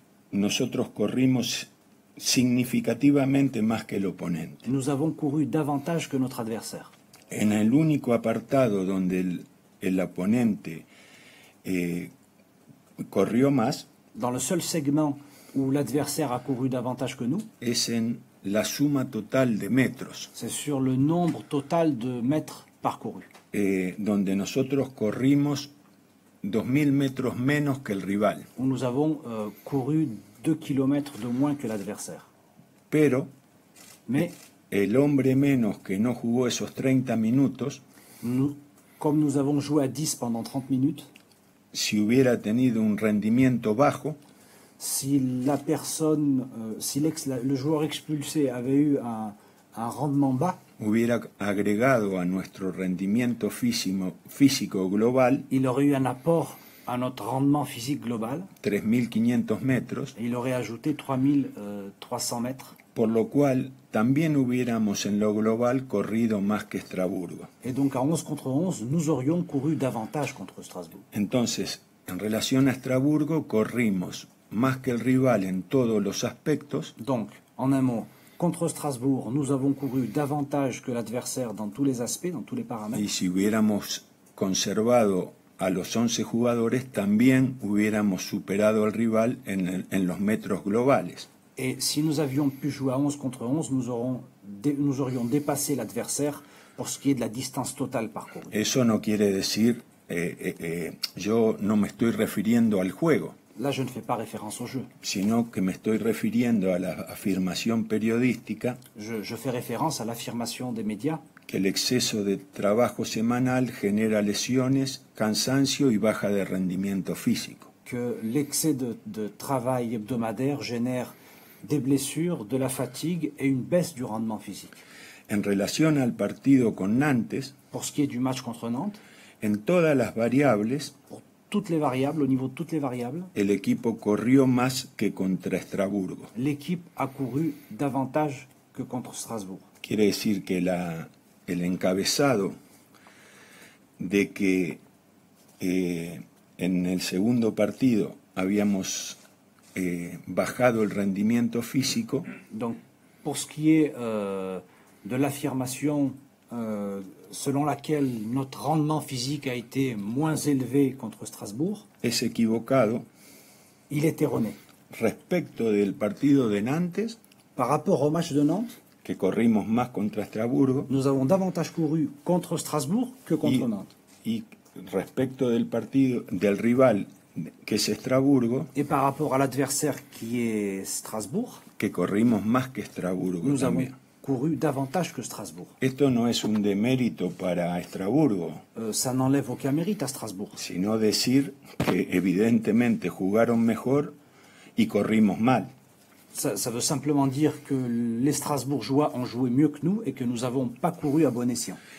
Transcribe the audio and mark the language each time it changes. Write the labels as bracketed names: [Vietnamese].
[Spanish] nosotros corrimos significativamente más que el oponente. [French] Nous avons couru davantage que notre adversaire. [Spanish] En el único apartado donde el oponente corrió más. [French] Dans le seul segment où l'adversaire a couru davantage que nous. [Spanish] Es en la suma total de metros. [French] C'est sur le nombre total de mètres parcourus. [Spanish] Donde nosotros corrimos 2000 metros menos que el rival. [French] Où nous avons couru 2 kilomètres de moins que l'adversaire. [Spanish] Pero. [French] Mais. [Spanish] El hombre menos que no jugó esos 30 minutos. [French] Comme nous avons joué à 10 pendant 30 minutes. [Spanish] Si hubiera tenido un rendimiento bajo, [French] si [Spanish] la persona, si el jugador [French] expulsé avait eu un rendement bas, [Spanish] hubiera agregado a nuestro rendimiento físico global, [French] il aurait eu un apport à notre rendement physique global, [Spanish] 3.500 metros, [French] il aurait ajouté 3.300 mètres, [Spanish] por lo cual también hubiéramos en lo global corrido más que Estrasburgo. [French] Et donc à 11 contre 11, nous aurions couru davantage contre Strasbourg. [Spanish] Entonces, en relación a Estrasburgo, corrimos más que el rival en todos los aspectos. [French] Donc, en un mot, contre Strasbourg, nous avons couru davantage que l'adversaire dans tous les aspects, dans tous les paramètres. [Spanish] Y si hubiéramos conservado a los 11 jugadores, también hubiéramos superado al rival en los metros globales. [French] Et si nous avions pu jouer à 11 contre 11, nous aurions dépassé l'adversaire pour ce qui est de la distance totale parcourue. [Spanish] Eso no quiere decir, yo no me estoy refiriendo al juego. [French] Là, je ne fais pas référence au jeu. [Spanish] Sino que me estoy refiriendo a la afirmación periodística. [French] Je fais référence à l'affirmation des médias. [Spanish] que el exceso de trabajo semanal genera lesiones, cansancio y baja de rendimiento físico. [French] Que l'excès de travail hebdomadaire génère des blessures, de la fatigue et une baisse du rendement physique. [Spanish] En relación al partido con Nantes, [French] pour ce qui est du match contre Nantes, [Spanish] en todas las variables, [French] pour toutes les variables, au niveau de toutes les variables, [Spanish] el equipo corrió más que contra Estrasburgo. [French] L'équipe a couru davantage que contre Strasbourg. [Spanish] Quiere decir que el encabezado de que en el segundo partido habíamos bajado el rendimiento físico. [French] Donc, pour ce qui est de l'affirmation selon laquelle notre rendement physique a été moins élevé contre Strasbourg, [Spanish] es equivocado. [French] Il est erroné. [Spanish] Respecto del partido de Nantes, [French] par rapport au match de Nantes, [Spanish] que corrimos más contra Estrasburgo, [French] nous avons davantage couru contre Strasbourg que contre Nantes. [Spanish] Y respecto del partido del rival, que es Estrasburgo, [French] et par rapport à l'adversaire qui est Strasbourg, [Spanish] que corrimos más que Estrasburgo, [French] nous avons couru davantage que Strasbourg. [Spanish] Esto no es un demérito para Estrasburgo. [French] Ça n'enlève aucun mérite à Strasbourg. [Spanish] Sino decir que evidentemente jugaron mejor y corrimos mal. [French] Ça veut simplement dire que les Strasbourgeois ont joué mieux que nous et que nous avons pas couru à bon escient.